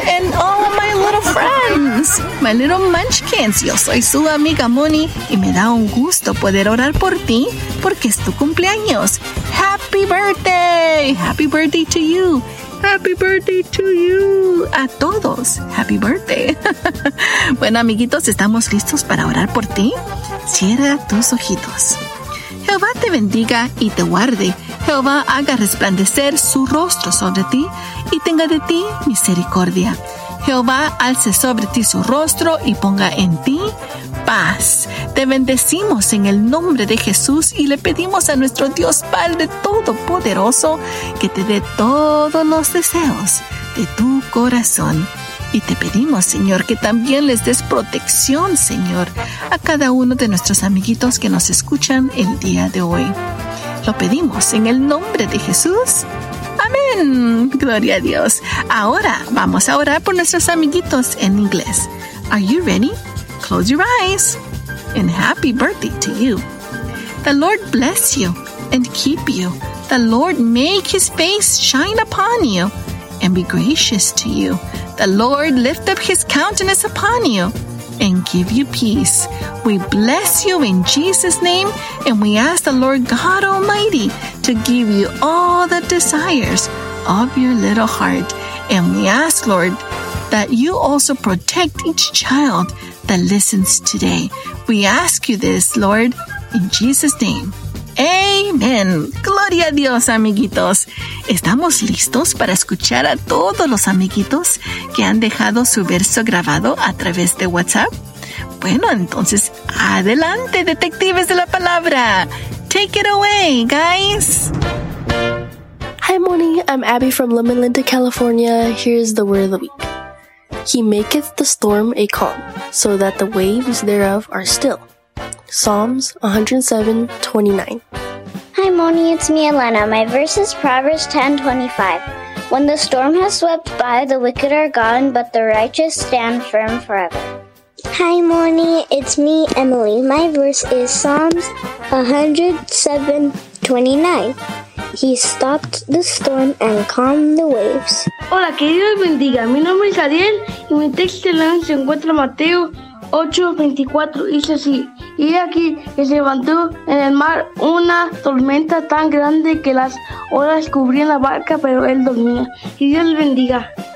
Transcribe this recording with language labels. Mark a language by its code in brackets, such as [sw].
[en] And all of my little friends, my little munchkins. [es] Yo soy su amiga Moni y me da un gusto poder orar por ti porque es tu cumpleaños. [en] Happy birthday. Happy birthday to you. Happy birthday to you. [es] A todos, [en] happy birthday. [es] Bueno, amiguitos, ¿estamos listos para orar por ti? Cierra tus ojitos. Jehová te bendiga y te guarde. Jehová haga resplandecer su rostro sobre ti y tenga de ti misericordia. Jehová alce sobre ti su rostro y ponga en ti paz. Te bendecimos en el nombre de Jesús y le pedimos a nuestro Dios Padre Todopoderoso que te dé todos los deseos de tu corazón. Y te pedimos, Señor, que también les des protección, Señor, a cada uno de nuestros amiguitos que nos escuchan el día de hoy. Lo pedimos en el nombre de Jesús. ¡Amén! ¡Gloria a Dios! Ahora vamos a orar por nuestros amiguitos en inglés. [en] Are you ready? Close your eyes. And happy birthday to you. The Lord bless you and keep you. The Lord make His face shine upon you and be gracious to you. The Lord lift up His countenance upon you and give you peace. We bless you in Jesus' name, and we ask the Lord God Almighty to give you all the desires of your little heart. And we ask, Lord, that you also protect each child that listens today. We ask you this, Lord, in Jesus' name. [es] Amen. Gloria a Dios, amiguitos. ¿Estamos listos para escuchar a todos los amiguitos que han dejado su verso grabado a través de WhatsApp? Bueno, entonces, adelante, detectives de la palabra. [en] Take it away, guys. Hi, Moni. I'm Abby from Loma Linda, California. Here's the word of the week. He maketh the storm a calm, so that the waves thereof are still. Psalms 107:29. Hi, Moni, it's me, Elena. My verse is Proverbs 10:25. When the storm has swept by, the wicked are gone, but the righteous stand firm forever. Hi, Moni, it's me, Emily. My verse is Psalms 107:29. He stopped the storm and calmed the waves. [es] Hola, que Dios bendiga. Mi nombre es Ariel y mi texto se encuentra Mateo 8:24, dice así: y aquí que se levantó en el mar una tormenta tan grande que las olas cubrían la barca, pero él dormía. Y Dios le bendiga.